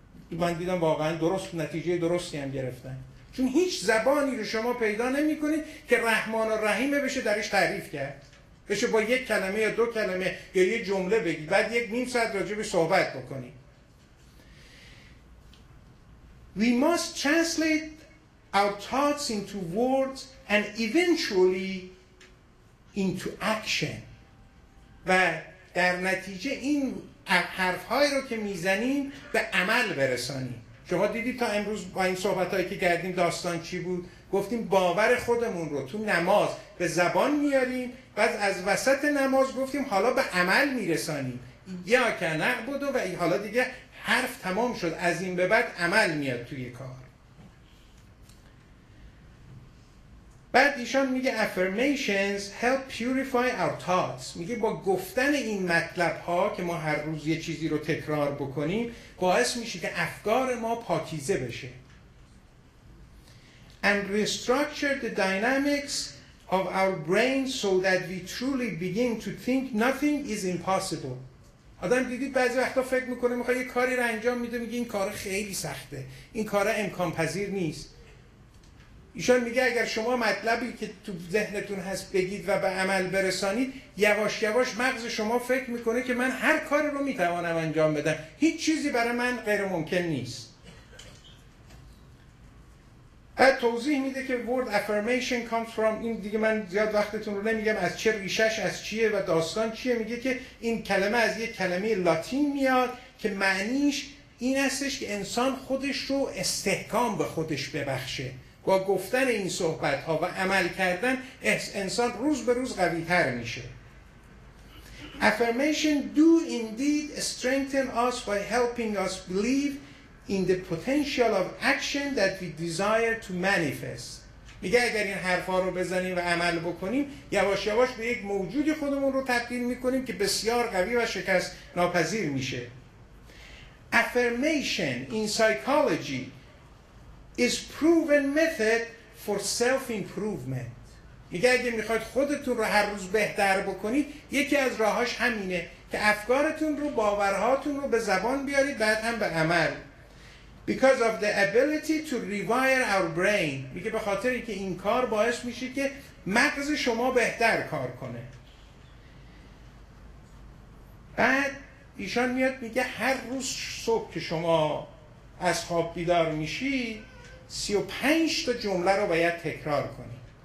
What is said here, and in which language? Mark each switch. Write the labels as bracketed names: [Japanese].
[Persian] من دیدم واقعا درست، نتیجه درستی هم گرفتن، چون هیچ زبانی رو شما پیدا نمی کنید که رحمان و رحیمه بشه درش تعریف کرد، بشه با یک کلمه یا دو کلمه یا یک جمله بگید بعد یک نیم ساعت راجبش صحبت بکنید. [English] We must translate our thoughts into words and eventually into action [Persian] و در نتیجه این حرف‌هایی رو که میزنیم به عمل برسانیم. شما دیدید تا امروز با این صحبت‌هایی که کردیم داستان چی بود؟ گفتیم باور خودمون رو تو نماز به زبان میاریم، بعد از وسط نماز گفتیم حالا به عمل میرسانیم، یا که نعبد و حالا دیگه حرف تمام شد، از این به بعد عمل میاد توی کار. بعد ایشان میگه [English] affirmations help purify our thoughts، [Persian] میگه با گفتن این مطلب ها که ما هر روز یه چیزی رو تکرار بکنیم باعث میشه که افکار ما پاکیزه بشه. [English] And restructure the dynamics of our brain so that we truly begin to think nothing is impossible. [Persian] آدم دیدید بعضی وقتا فکر میکنه میخواد یه کاری رو انجام میده، میگه این کار خیلی سخته، این کار امکان پذیر نیست. ایشان میگه اگر شما مطلبی که تو ذهنتون هست بگید و به عمل برسانید، یواش یواش مغز شما فکر میکنه که من هر کاری رو میتوانم انجام بدم، هیچ چیزی برای من غیر ممکن نیست. بعد توضیح میده که [English] word affirmation comes from، [Persian] این دیگه من زیاد وقتتون رو نمیگم، از چه ریشش، از چیه و داستان چیه. میگه که این کلمه از یک کلمه لاتین میاد که معنیش این استش که انسان خودش رو استحکام به خودش ببخشه. با گفتن این صحبت ها و عمل کردن انسان روز به روز قوی تر میشه. [English] Affirmation do indeed strengthen us by helping us believe in the potential of action that we desire to manifest. [Persian] میگه اگر این حرفا رو بزنیم و عمل بکنیم، یواش یواش به یک موجودی خودمون رو تبدیل میکنیم که بسیار قوی و شکست ناپذیر میشه. [English] Affirmation in psychology is proven method for self-improvement. [Persian] میگه اگر میخواید خودتون رو هر روز بهتر بکنید، یکی از راهاش همینه که افکارتون رو، باورهاتون رو به زبان بیارید، بعد هم به عمل. [English] Because of the ability to rewire our brain. [Persian] میگه به خاطر اینکه این کار باعث میشه که مغز شما بهتر کار کنه. بعد ایشان میاد میگه هر روز صبح که شما از خواب بیدار میشی 35 تا جمله رو باید تکرار کنی.